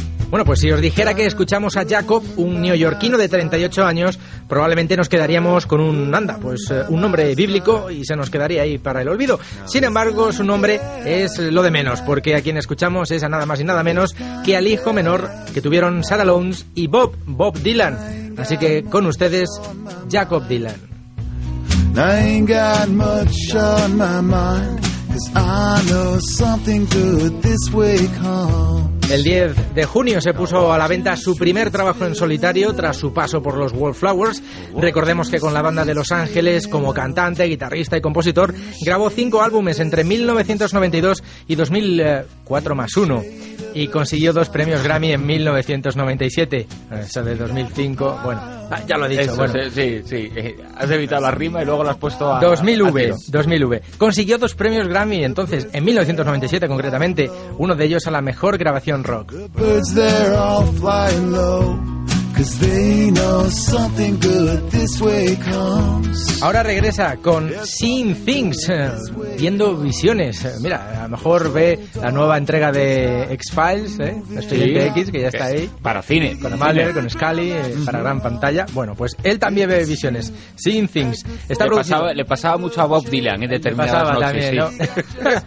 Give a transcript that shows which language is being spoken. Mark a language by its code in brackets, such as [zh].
[es] Bueno, pues si os dijera que escuchamos a Jacob, un neoyorquino de 38 años, probablemente nos quedaríamos con un nombre bíblico y se nos quedaría ahí para el olvido. Sin embargo, su nombre es lo de menos, porque a quien escuchamos es a nada más y nada menos que al hijo menor que tuvieron Sarah Lawns y Bob Dylan. Así que con ustedes, Jacob Dylan. [en] I ain't got much on my mind, 'cause I know something good this way comes. [es] El 10 de junio se puso a la venta su primer trabajo en solitario tras su paso por los Wallflowers. Recordemos que con la banda de Los Ángeles, como cantante, guitarrista y compositor, grabó 5 álbumes entre 1992 y 2004+1. Y consiguió 2 premios Grammy en 1997. Eso de 2005, bueno, ya lo he dicho. Eso, bueno. Sí. Has evitado la rima y luego la has puesto a... 2000V. Consiguió 2 premios Grammy entonces, en 1997 concretamente, uno de ellos a la mejor grabación rock. [en] Cause they know something good this way comes. [es] Ahora regresa con Seeing Things, viendo visiones. Mira, a lo mejor ve la nueva entrega de X-Files, X, que ya está ahí. Para cine. Con Amalia, con Scully, para gran pantalla. Bueno, pues él también ve visiones. Seeing Things. Está le pasaba mucho a Bob Dylan en determinadas noches.